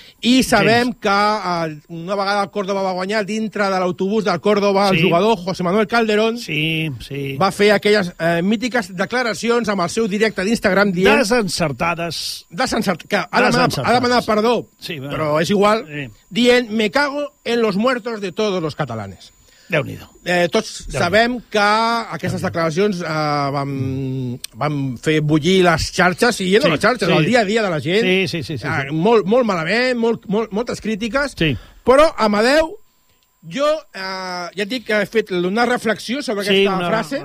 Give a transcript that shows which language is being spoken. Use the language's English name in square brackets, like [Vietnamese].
[Catalan] I sabem que una vegada el Córdoba va guanyar dintre de l'autobús del Córdoba, el jugador José Manuel Calderón va fer aquelles mítiques declaracions amb el seu directe d'Instagram dient... Desencertades. Ha demanat perdó, però és igual. Sí. Dient, [Spanish] me cago en los muertos de todos los catalanes. [Catalan] Déu-n'hi-do. Tots sabem que aquestes declaracions van fer bullir les xarxes, i eren les xarxes, el dia a dia de la gent. Sí. Molt malament, moltes crítiques. Sí. Però, Amadeu, jo ja et dic que he fet una reflexió sobre aquesta frase.